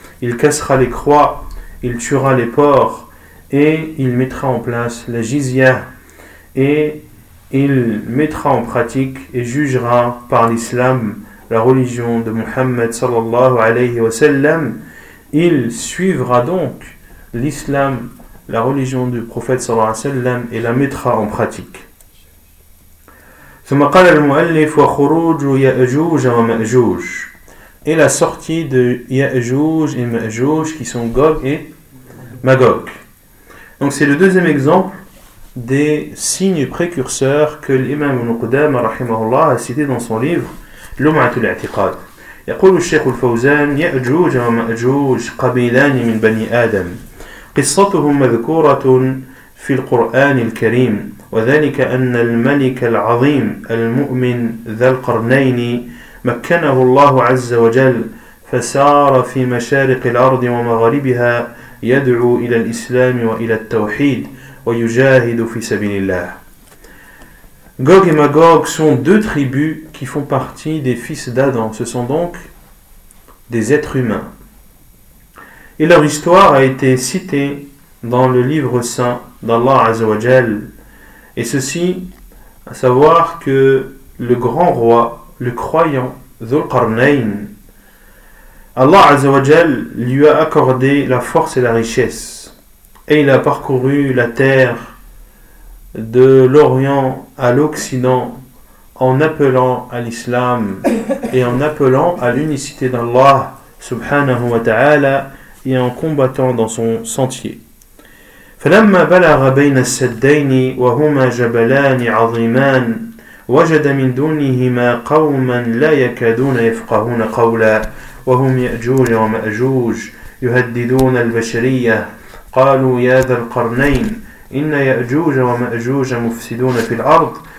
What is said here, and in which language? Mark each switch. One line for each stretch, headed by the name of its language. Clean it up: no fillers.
French: Il cassera les croix, il tuera les porcs, et il mettra en place la jizya, et il mettra en pratique et jugera par l'islam, la religion de Muhammad sallallahu alayhi wa sallam. Il suivra donc l'islam, la religion du prophète sallallahu alayhi wa sallam, et la mettra en pratique.
Arabic: ثم قال المؤلف وخروج يأجوج ومأجوج.
French: Et la sortie de يأجوج et مأجوج, qui sont Gog et Magog. Donc c'est le deuxième exemple des signes précurseurs que l'imam al-Qudam rahimahullah a cité dans son livre Lum'atul I'tiqad.
Arabic: يقول الشيخ الفوزان يأجوج ومأجوج قبيلان من بني آدم قصتهم مذكورة في القرآن الكريم وذلك أن الملك العظيم المؤمن ذا القرنين مكنه الله عز وجل فسار في مشارق الأرض ومغاربها يدعو إلى الإسلام وإلى التوحيد ويجاهد في سبيل الله.
French: Gog et Magog sont deux tribus qui font partie des fils d'Adam. Ce sont donc des êtres humains. Et leur histoire a été citée dans le livre saint d'Allah Azza wa Jal. Et ceci, à savoir que le grand roi, le croyant, Dhul-Qarnayn, Allah Azza wa Jal lui a accordé la force et la richesse. Et il a parcouru la terre de l'Orient à l'Occident en appelant à l'islam et en appelant à l'unicité d'Allah subhanahu wa ta'ala et en combattant dans son sentier.
Arabic: فلما بلغ بين السدين وهما جبلان عظيمان وجد من دونهما قوما لا يكادون يفقهون قولا وهم يأجوج ومأجوج يهددون البشرية قالوا يا ذا القرنين إن يأجوج ومأجوج مفسدون في الأرض